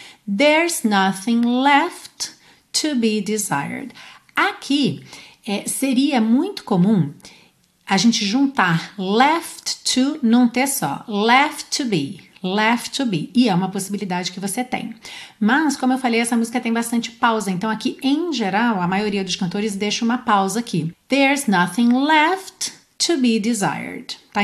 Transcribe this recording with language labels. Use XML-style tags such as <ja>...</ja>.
<en>There's nothing left to be desired.</en> <pt>Aqui, seria muito comum a gente juntar left to num T só,</pt> <en>left to be,</en> <pt>e é uma possibilidade que você tem. Mas, como eu falei, essa música tem bastante pausa, então aqui, em geral, a maioria dos cantores deixa uma pausa aqui.</pt> <en>There's nothing left to be desired, tá?</en>